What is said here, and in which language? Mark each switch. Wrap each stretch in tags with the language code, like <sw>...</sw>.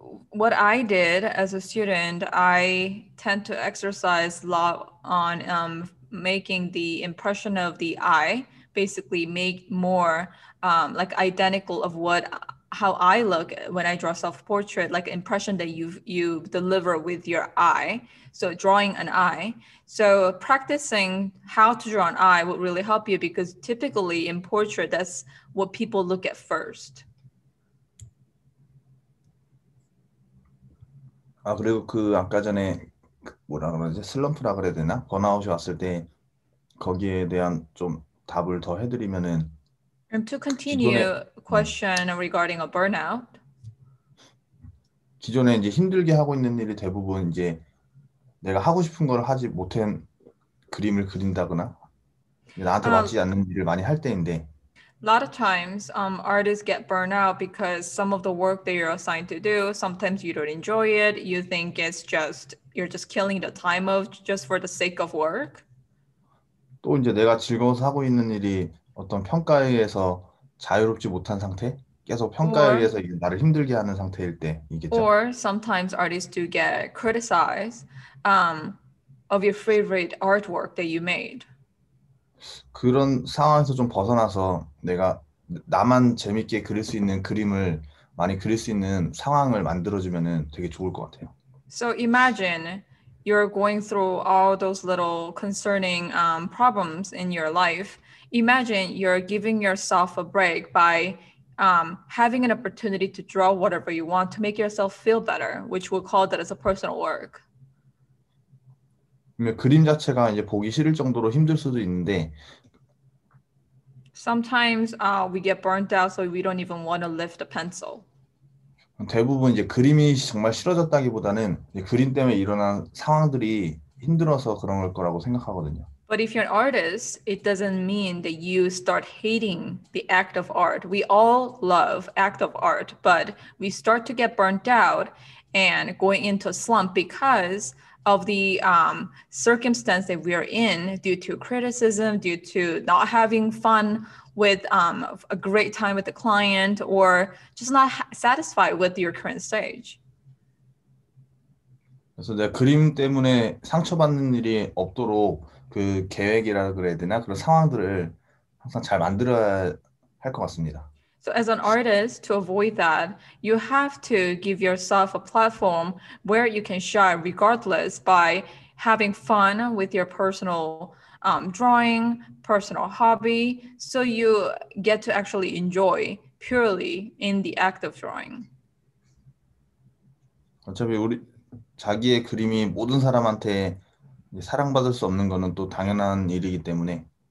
<en>What I did as a student, I tend to exercise a lot on making the impression of the eye, basically make more like identical of how I look when I draw self-portrait, like impression that you deliver with your eye. So drawing an eye. So practicing how to draw an eye will really help you because typically in portrait, that's what people look at first.</en> <ko>아, 그리고 그 아까 전에 뭐라 그러지? 슬럼프라 그래야 되나? 번아웃이 왔을 때 거기에 대한 좀 답을 더 해드리면은</ko> <en>And to</en> <ko>기존에</ko> <en>continue question regarding a burnout.</en> <ko>기존에 이제 힘들게 하고 있는 일이 대부분 이제 내가 하고 싶은 걸 하지 못한 그림을 그린다거나 나한테 맞지 않는 일을 많이 할 때인데</ko> <en>Lot of times, artists get burned out because some of the work that you're assigned to do, sometimes you don't enjoy it. You think it's just you're just killing the time of just for the sake of work.</en> <ko>또 이제 내가 즐거워서 하고 있는 일이 어떤 평가에 의해서 자유롭지 못한 상태, 계속 평가에</ko> <en>Or,</en> <ko>의해서 나를 힘들게 하는 상태일 때 이겠죠.</ko> <en>sometimes artists do get criticized, of your favorite artwork that you made.</en> <ko>그런 상황에서 좀 벗어나서 내가 나만 재밌게 그릴 수 있는 그림을 많이 그릴 수 있는 상황을 만들어주면은 되게 좋을 것 같아요.</ko> <en>So imagine you're going through all those little concerning problems in your life. Imagine you're giving yourself a break by having an opportunity to draw whatever you want to make yourself feel better, which we'll call that as a personal work.</en> <ko>그림 자체가 이제 보기 싫을 정도로 힘들 수도 있는데,</ko> <en>Sometimes we get burnt out, so we don't even want to lift a pencil.</en> <ko>대부분 이제 그림이 정말 싫어졌다기보다는 이제 그림 때문에 일어난 상황들이 힘들어서 그런 걸 거라고 생각하거든요.</ko> <en>But if you're an artist, it doesn't mean that you start hating the act of art. We all love act of art, but we start to get burnt out and going into a slump because of the circumstance that we are in due to criticism, due to not having fun with a great time with the client, or just not satisfied with your current stage.</en> <ko>그래서 내가 그림 때문에 상처받는 일이 없도록 그 계획이라 그래야 되나? 그런 상황들을 항상 잘 만들어야 할것 같습니다.</ko> <en>So as an artist, to avoid that, you have to give yourself a platform where you can shine regardless by having fun with your personal drawing, personal hobby, so you get to actually enjoy purely in the act of drawing.</en> <ko>어차피 우리 자기의 그림이 모든 사람한테 사랑받을 수 없는 거는 또 당연한 일이기 때문에.</ko>